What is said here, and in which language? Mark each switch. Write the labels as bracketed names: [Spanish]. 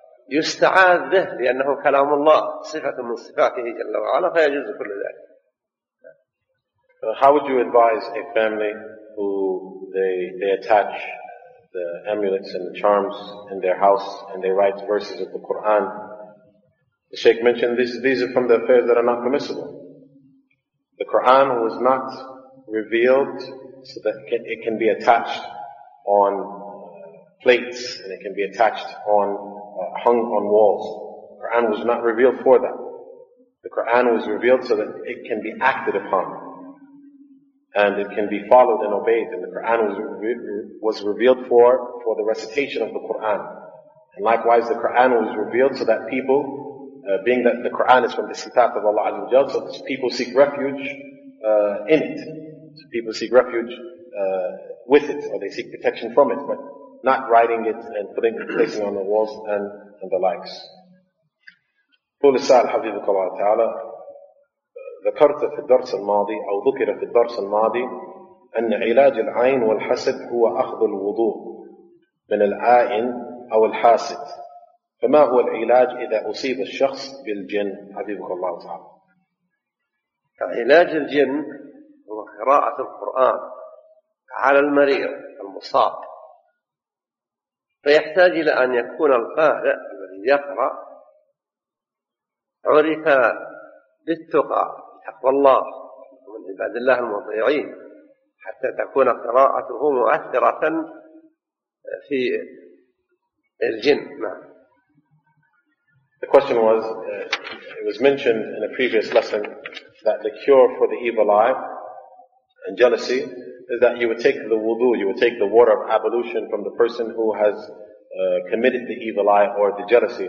[Arabic] فيستعاذ به، لأنه كلام الله صفة من صفاته جل وعلا، فيجوز كل ذلك. [English] How would you advise a family who they attach the amulets and the charms in their house and they write verses of the Quran? The Shaykh mentioned these are from the affairs that are not permissible. The Quran was not revealed so that it can be attached on plates and it can be attached on hung on walls. The Quran was not revealed for that. The Quran was revealed so that it can be acted upon and it can be followed and obeyed. And the Quran was revealed for the recitation of the Quran. And likewise, the Quran was revealed so that people, being that the Quran is from the sifat of Allah Azza wa Jalla, so people seek refuge in it. So people seek refuge with it, or they seek protection from it, but not writing it and putting it placing on the walls and the likes. [Arabic] قول السائل حفظك الله تعالى ذكرت في الدرس الماضي أو ذكر في الدرس الماضي أن علاج العين والحسد هو أخذ الوضوء من العائن أو الحاسد، فما هو العلاج إذا أصيب الشخص بالجن حبيبك الله تعالى؟ علاج الجن هو قراءة القرآن على المريض المصاب، فيحتاج إلى أن يكون القارئ الذي يقرأ عرف بالتقى تقوى الله ومن عباد الله المطيعين، حتى تكون قراءته مؤثرة في الجن. [English] The question was, it was mentioned in a previous lesson that the cure for the evil eye and jealousy is that you would take the wudu, you would take the water of ablution from the person who has committed the evil eye or the jealousy.